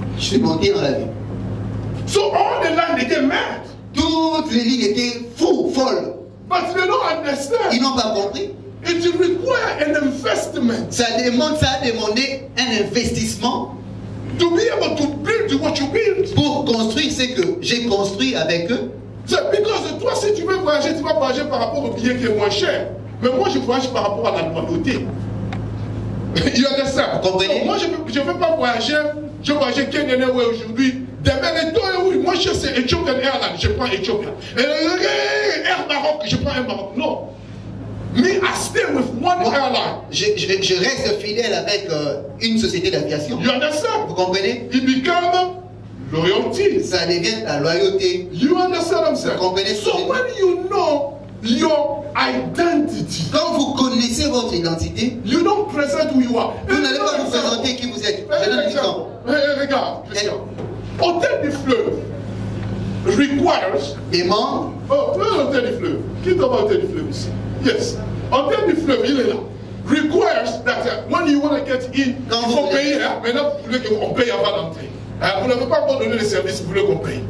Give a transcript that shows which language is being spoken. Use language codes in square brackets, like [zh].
[fr] Je suis monté dans l'avion. [en] So all the lines [fr] étaient [en] mad. [fr] Toutes les lignes étaient fous, folles. [en] But they don't understand. [fr] Ils n'ont pas compris. [en] It requires an investment. [fr] Ça a demandé un investissement. [en] To be able to build what you build. [fr] Pour construire ce que j'ai construit avec eux. C'est because toi, si tu veux voyager, tu vas voyager par rapport au billet qui est moins cher. Mais moi, je voyage par rapport à la loyauté. [en] You understand? [fr] Vous comprenez? Moi, je ne veux pas voyager. Je voyage Kenyan Airways aujourd'hui. Demain, les deux, oui. Moi, je sais Ethiopian Airlines. Je prends Ethiopian. [en] Air Maroc. [fr] Je prends Air Maroc. Non. [en] Me, I stay with one moi, airline. [fr] Je reste fidèle avec une société d'aviation. [en] You understand? [fr] Vous comprenez? [en] It becomes loyalty. [fr] Ça devient la loyauté. [en] You understand what I'm saying? [fr] Vous comprenez? [en] So when you know your identity. [fr] Quand vous connaissez votre identité, [en] you don't present who you are. [fr] Vous n'allez pas vous présenter qui vous êtes. Regarde. Hôtel du fleuve requires. Demande. Oh, hôtel du fleuve. Qui est dans hôtel du fleuve ici? Yes. Hôtel du fleuve, il est là. [en] Requires that when you want to get in, [fr] quand vous payez, maintenant vous voulez qu'on paye avant d'entrer. Vous n'avez pas abandonné les services, vous voulez qu'on paye.